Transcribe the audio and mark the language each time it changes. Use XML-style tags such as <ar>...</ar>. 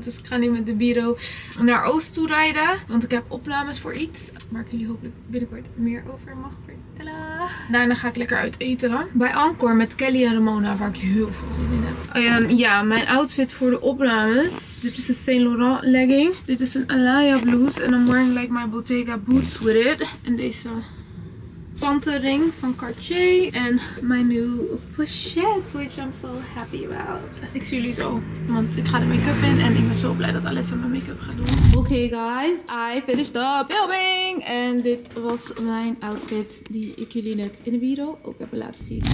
<nl>Dus ik ga nu met de bureau naar Oost toe rijden. Want ik heb opnames voor iets. Waar ik jullie hopelijk binnenkort meer over mag vertellen. Daarna ga ik lekker uit eten. Bij Encore met Kelly en Ramona. Waar ik heel veel zin in heb. Ja, mijn outfit voor de opnames. Dit is een Saint Laurent legging. Dit is een Alaya blouse.</nl> <en>En I'm wearing like my Bottega boots with it.</en> <nl>En deze panterring van Cartier. En mijn nieuwe pochette.</nl> <en>Which I'm so happy about.</en> <nl>Ik zie jullie zo. Want ik ga de make-up in. En ik ben zo blij dat Alessa mijn make-up gaat doen.</nl> <en>Okay guys, I finished the filming.</en> <nl>En dit was mijn outfit die ik jullie net in de video ook heb laten zien.</nl>